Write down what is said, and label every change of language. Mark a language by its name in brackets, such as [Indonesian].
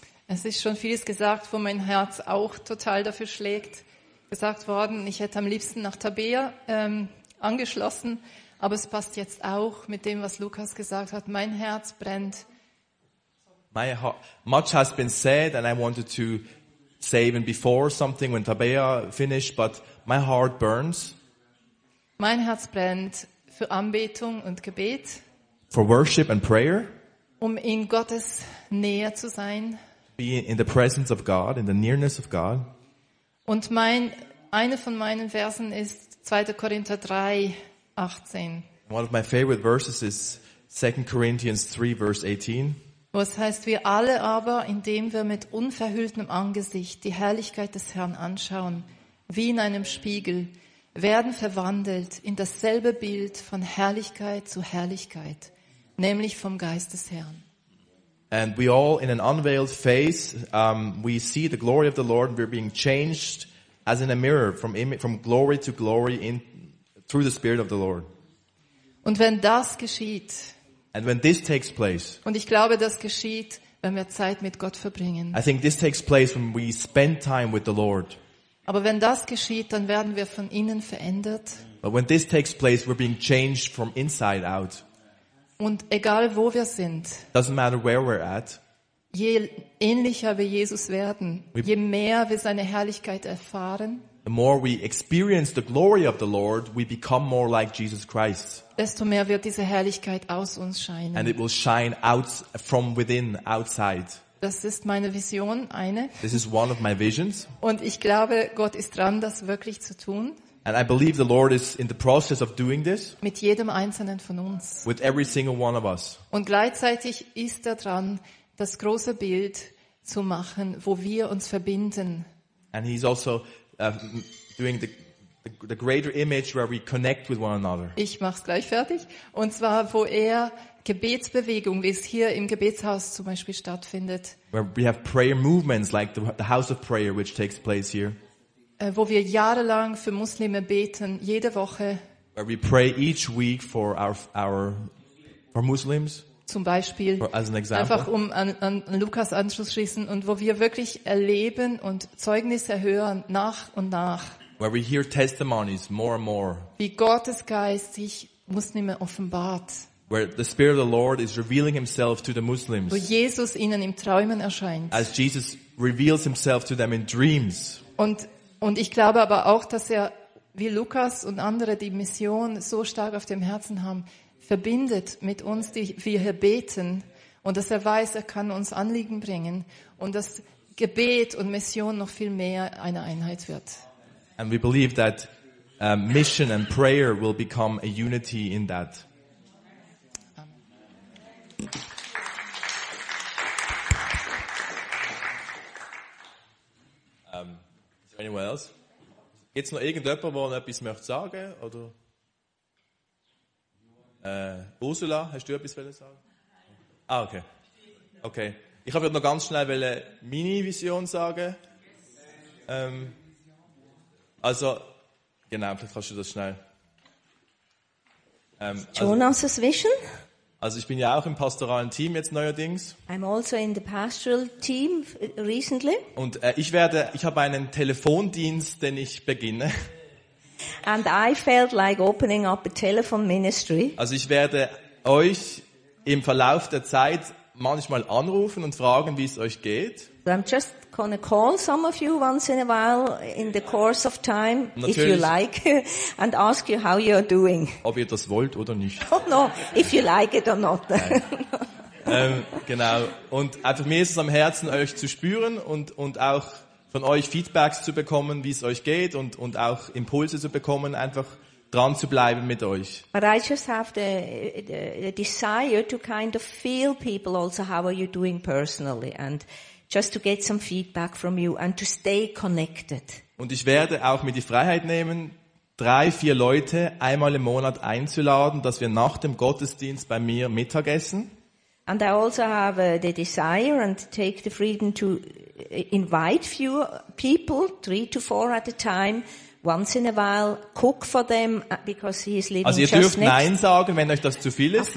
[German] Es ist schon vieles gesagt, wo mein Herz auch total dafür schlägt. Gesagt worden, ich hätte am liebsten nach Tabea angeschlossen, aber es passt jetzt auch mit dem, was Lukas gesagt hat. Mein Herz brennt. [English] My heart, much has been said and I wanted to say even before something when Tabea finished, but my heart burns. [German] Mein Herz brennt für Anbetung und Gebet. [English] For worship and prayer. [German] Um in Gottes Nähe zu sein. [English] Be in the presence of God, in the nearness of God. [German] Und eine von meinen Versen ist 2. Korinther 3, 18. [English] One of my favorite verses is 2 Corinthians 3, verse 18. [German] Wo es heißt, wir alle aber, indem wir mit unverhülltem Angesicht die Herrlichkeit des Herrn anschauen, wie in einem Spiegel, werden verwandelt in dasselbe Bild von Herrlichkeit zu Herrlichkeit, nämlich vom Geist des Herrn. [English] And we all, in an unveiled face, we see the glory of the Lord. We're being changed, as in a mirror, from glory to glory, in through the Spirit of the Lord. [German] Und wenn das geschieht, [English] and when this takes place, [German] und ich glaube, das geschieht, wenn wir Zeit mit Gott verbringen. [English] I think this takes place when we spend time with the Lord. [German] Aber wenn das geschieht, dann werden wir von innen verändert. [English] But when this takes place, we're being changed from inside out. [German] Und egal wo wir sind, [English] doesn't matter where we're at, [German] je ähnlicher wir Jesus werden, je mehr wir seine Herrlichkeit erfahren, [English] the more we experience the glory of the Lord, we become more like Jesus Christ. [German] Desto mehr wird diese Herrlichkeit aus uns scheinen. [English] And it will shine out from within, outside. [German] Das ist meine Vision, eine. [English] This is one of my visions. [German] Und ich glaube, Gott ist dran, das wirklich zu tun. [English] And I believe the Lord is in the process of doing this. [German] Mit jedem einzelnen von uns. [English] With every single one of us. [German] Und gleichzeitig ist er dran, das große Bild zu machen, wo wir uns verbinden. [English] And he's also doing the greater image where we connect with one another. [German] Ich mach's gleich fertig. Und zwar, wo er Gebetsbewegung, wie es hier im Gebetshaus zum Beispiel stattfindet. [English] Where we have prayer movements, like the house of prayer, which takes place here. [German] Wo wir jahrelang für Muslime beten, jede Woche. [English] Where we pray each week for our Muslims. [German] Zum Beispiel. [English] As an example. [German] Einfach um an Lukas anzuschließen und wo wir wirklich erleben und Zeugnisse hören nach und nach. [English] Where we hear testimonies more and more. [German] Wie Gottes Geist sich Muslime offenbart. [English] where the Spirit of the Lord is revealing himself to the Muslims. [German] Wo Jesus ihnen im Träumen erscheint. [English] As Jesus reveals himself to them in dreams. [German] Und ich glaube aber auch, dass er, wie Lukas und andere, die Mission so stark auf dem Herzen haben, verbindet mit uns, die wir hier beten, und dass er weiß, er kann uns Anliegen bringen und dass Gebet und Mission noch viel mehr eine Einheit wird. [English] And we believe that mission and prayer will become a unity in that. Is there anyone else? [German] Gibt's noch irgendjemand, der noch etwas möchte sagen? Oder? Ursula, hast du etwas wollen sagen? Ah, okay. Okay. Ich habe noch ganz schnell wollen meine Vision sagen. Also, genau, vielleicht kannst du das schnell. Jonas' also, Vision? Also ich bin ja auch im pastoralen Team jetzt neuerdings. [English] I'm also in the pastoral team recently. [German] Und ich habe einen Telefondienst, den ich beginne. [English] And I felt like opening up a telephone ministry. [German] Also ich werde euch im Verlauf der Zeit manchmal anrufen und fragen, wie es euch geht. [English] I'm just gonna call some of you once in a while in the course of time, natürlich, if you like, and ask you how you're doing. [German] Ob ihr das wollt oder nicht. [English] Oh no, if you like it or not. [German] genau. Und einfach mir ist es am Herzen, euch zu spüren und auch von euch Feedbacks zu bekommen, wie es euch geht und auch Impulse zu bekommen, einfach dran zu bleiben mit euch. [English] But I just have the desire to kind of feel people also how are you doing personally and just to get some feedback from you and to stay connected. [German] Und ich werde auch mir die Freiheit nehmen, 3-4 Leute einmal im Monat einzuladen, dass wir nach dem Gottesdienst bei mir Mittag essen. [English] And I also have the desire and take the freedom to invite few people, 3-4 at a time, once in a while, cook for them because he is living just next. [German] Also ihr dürft Nein sagen, wenn euch das zu viel ist.